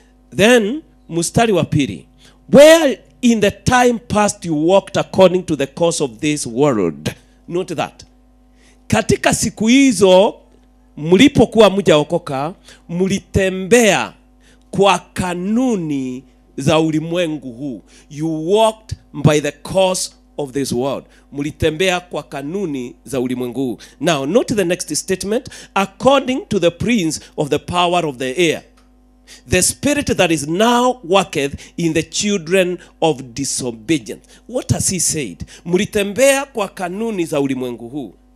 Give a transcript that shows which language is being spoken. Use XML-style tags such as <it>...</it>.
<en>Then,</en> <sw>mustari wa piri.</sw> <en>Where in the time past you walked according to the course of this world. Note that.</en> <sw>Katika siku hizo, mulipokuwa mujaokoka, mulitembea kwa kanuni za ulimwengu huu.</sw> <en>You walked by the course of this world.</en> <sw>Mulitembea kwa kanuni za ulimwengu huu.</sw> <en>Now, note the next statement. According to the prince of the power of the air, the spirit that is now worketh in the children of disobedience. What has he said?</en> <sw>Mulitembea kwa kanuni za ulimwengu huu.</sw>